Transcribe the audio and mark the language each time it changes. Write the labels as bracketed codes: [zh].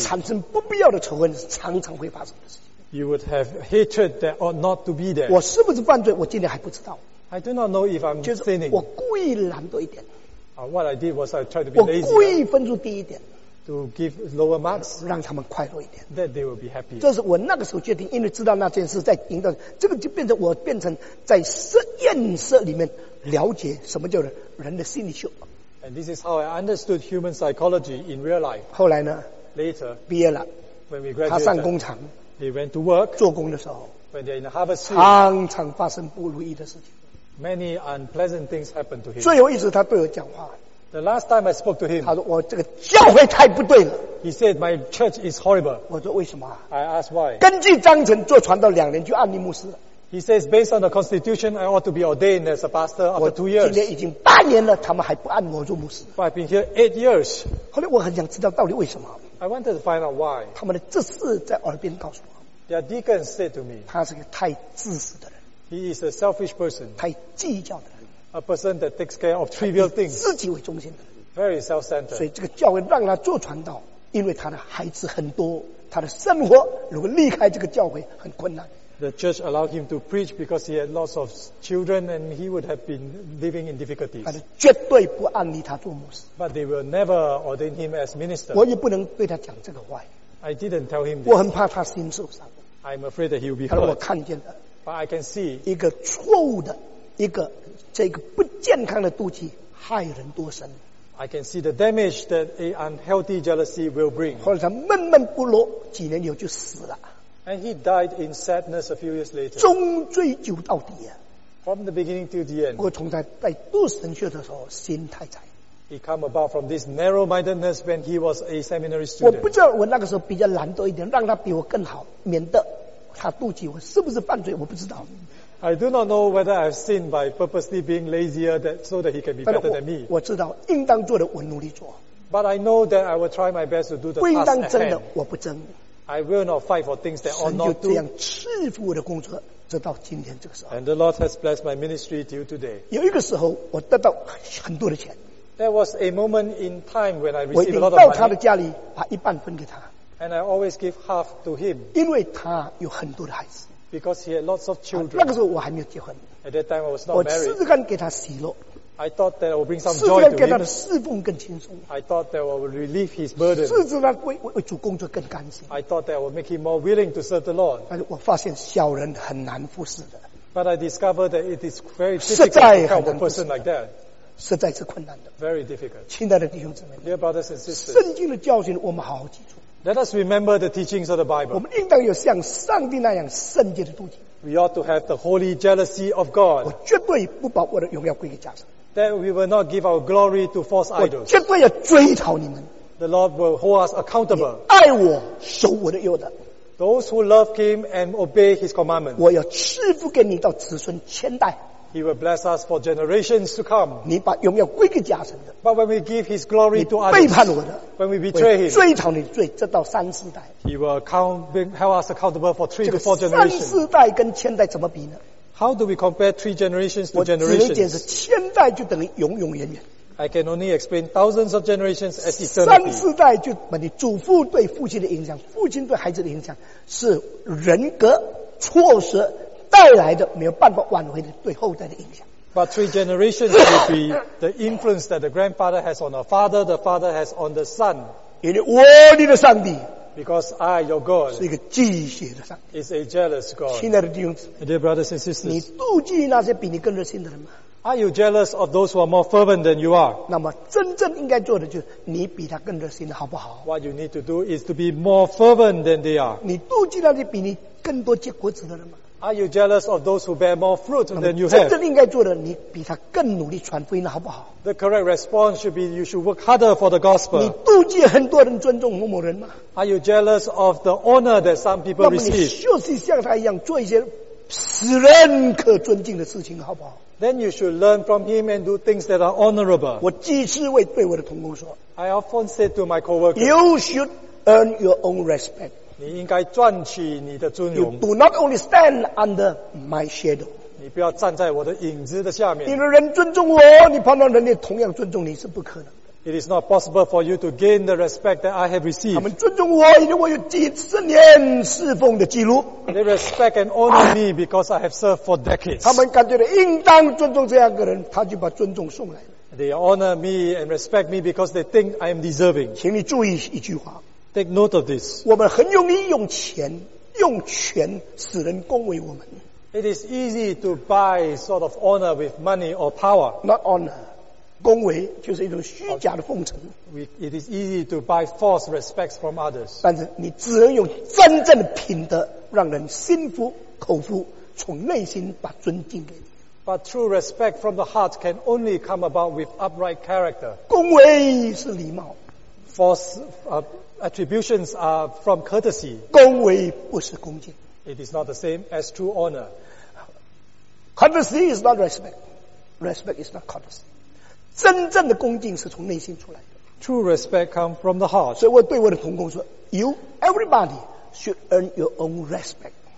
[zh] 产生不必要的仇恨，常常会发生的事情。 [en] You would have hatred that ought not to be there. [zh] 我是不是犯罪？我今天还不知道。 [en] I do not know if I'm sinning. [zh] 我故意懒惰一点。 [en] What I did was I tried to be lazy. [zh] 我故意分数低一点。 [en] To give lower marks, [zh] 让他们快乐一点。 [en] That they will be happy. [zh] 这是我那个时候决定，因为知道那件事在引导，这个就变成我变成在实验室里面了解什么叫人的心理学。 [en] And this is how I understood human psychology in real life. [zh] 后来呢 [en] ？Later, [zh] 毕业了 [en] ，when we graduated, [zh] 他上工厂 [en] ，he went to work, [zh] 做工的时候 [en] ，when they're in the harvest field, [zh] 常常发生不如意的事情。 [en] Many unpleasant things happen to him. [zh] 最后一次他对我讲话。 [en] The last time I spoke to him, [zh] 他说我这个教会太不对了。 [en] He said my church is horrible. [zh] 我说为什么、 [en] 啊、？I asked why. [zh] 根据章程做传道两年就按立牧师了。 [en] He says based on the constitution, I ought to be ordained as a pastor after 2 years. [zh] 我今年已经八年了，他们还不按我做牧师。 [en] But I've been here 8 years. [zh] 后来我很想知道到底为什么。 [en] I wanted to find out why. [zh] 他们的执事在耳边告诉我。 [en] Their deacon said to me, [zh] 他是个太自私的人。 [en] He is a selfish person. [zh] 太计较的人。 [en] A person that takes care of trivial things. [zh] 自己为中心的。 [en] Very self-centered. [zh] 所以这个教会让他做传道，因为他的孩子很多，他的生活如果离开这个教会很困难。 [en] The church allowed him to preach because he had lots of children and he would have been living in difficulties. [zh] 但是绝对不安立他做牧师。 [en] But they will never ordain him as minister. [zh] 我也不能对他讲这个话。 [en] I didn't tell him this. [zh] 我很怕他心受伤。 [en] I'm afraid that he will be hurt. [zh] 我看见了。 [en] But I can see. [zh] 一个错误的一个。这个不健康的妒忌害人多深。 [en] I can see the damage that an unhealthy jealousy will bring. [zh] 后来他闷闷不乐，几年以后就死了。 [en] And he died in sadness a few years later. [zh] 终追究到底啊。 [en] From the beginning to the end. [zh] 我从他在读神学的时候心太窄。 [en] He came about from this narrow-mindedness when he was a seminary student. [zh] 我不知道我那个时候比较懒惰一点，让他比我更好，免得他妒忌我是不是犯罪，我不知道。 [en] I do not know whether I have sinned by purposely being lazier that, so that he can be better than me. [zh] 我知道应当做的我努力做。 [en] But I know that I will try my best to do the task at hand. [zh] 不应当争的我不争。 [en] I will not fight for things that ought not to. [zh] 神就这样赐福我的工作，直到今天这个时候。 [en] And the Lord has blessed my ministry till today. [zh] 有一个时候我得到很多的钱。 [en] There was a moment in time when I received a lot of money. [zh] 我一到他的家里，把一半分给他。 [en] And I always give half to him. [zh] 因为他有很多的孩子。 [en] Because he had lots of children. [zh] 那个时候我还没有结婚。 [en] At that time I was not married. [zh] 我试试看给他喜乐。 [en] I thought that I would bring some joy to him. [zh] 试试看给他的侍奉更轻松。 [en] I thought that I would relieve his burden. [zh] 试试看为主工作更甘心。 [en] I thought that I would make him more willing to serve the Lord. [zh] 但是我发现小人很难服侍的。 [en] But I discovered that it is very difficult to help a person like that. [zh] 实在是困难的。 [en] Very difficult. [zh] 亲爱的弟兄姊妹。 [en] Dear brothers and sisters. [zh] 圣经的教训我们好好记住。 [en] Let us remember the teachings of the Bible. [zh] 我们应当有像上帝那样圣洁的妒忌。 [en] We ought to have the holy jealousy of God. [zh] 我绝对不把我的荣耀归给假神。 [en] Then we will not give our glory to false idols. [zh] 我绝对要追讨你们。 [en] The Lord will hold us accountable. [zh] 你爱我，守我的约的。 [en] Those who love him and obey his commandments. [zh] 我要赐福给你到子孙千代。 [en] He will bless us for generations to come. [zh] 你把荣耀归给假神的。 [en] But when we give his glory to others, [zh] 你背叛我的。 [en] When we betray him, [zh] 追讨你的罪，直到三世代。 [en] He will help us accountable for three to four generations. [zh] 这个三世代跟千代怎么比呢？ [en] How do we compare three generations to generations? [zh] 我只能解释千代就等于永永远远。 [en] I can only explain thousands of generations as eternity. [zh] 三世代就把你祖父对父亲的影响，父亲对孩子的影响，是人格错失带来的没有办法挽回的对后代的影响。 [en] But three generations will be the influence that the grandfather has on the father has on the son. [zh] 因为我你的上帝。 [en] Because I, your God, [zh] 是一个忌邪的上帝。 [en] Is a jealous God. [zh] 亲爱的弟兄姊妹。 [en] Dear brothers and sisters. [zh] 你妒忌那些比你更热心的人吗？ [en] Are you jealous of those who are more fervent than you are? [zh] 那么真正应该做的就是你比他更热心的好不好？ [en] What you need to do is to be more fervent than they are. [zh] 你妒忌那些比你更多结果子的人吗？ [en] Are you jealous of those who bear more fruit than you [zh] 真正应该做的你比他更努力传福音的好不好？ [en] The correct response should be you should work harder for the gospel. [zh] 你妒忌很多人尊重某某人吗？ [en] Are you jealous of the honor that some people receive? [zh] 那么你就是像他一样做一些使人可尊敬的事情好不好？ [en] Then you should learn from him and do things that are honorable. [zh] 我几次为对我的同工说。 [en] I often say to my co-workers. You should earn your own respect. [zh] 你应该赚取你的尊荣。 [en] You do not only stand under my shadow. [zh] 你不要站在我的影子的下面。因为人尊重我，你盼望人也同样尊重你是不可能。 [en] It is not possible for you to gain the respect that I have received. [zh] 他们尊重我，因为我有几十年侍奉的记录。 [en] They respect and honor me because I have served for decades. [zh] 他们感觉到应当尊重这样一个人，他就把尊重送来了。 [en] They honor me and respect me because they think I am deserving. [zh] 请你注意一句话。 [en] Take note of this. [zh] 我们很容易用钱、用权使人恭维我们。 [en] It is easy to buy sort of honor with money or power. Not honor. [zh] 恭维就是一种虚假的奉承。 [en] It is easy to buy false respects from others. [zh] 但是你只能用真正的品德，让人心服口服，从内心把尊敬给你。 [en] But true respect from the heart can only come about with upright character. [zh] 恭维是礼貌。 [en] False attributions are from courtesy. [zh] 恭维不是恭敬。 [en] It is not the same as true honor. Courtesy is not respect. Respect is not courtesy. [zh] 真正的恭敬是从内心出来的。 [en] True respect comes from the heart. [zh] 所以我对我的同工说 [en] ，You everybody should earn your own respect.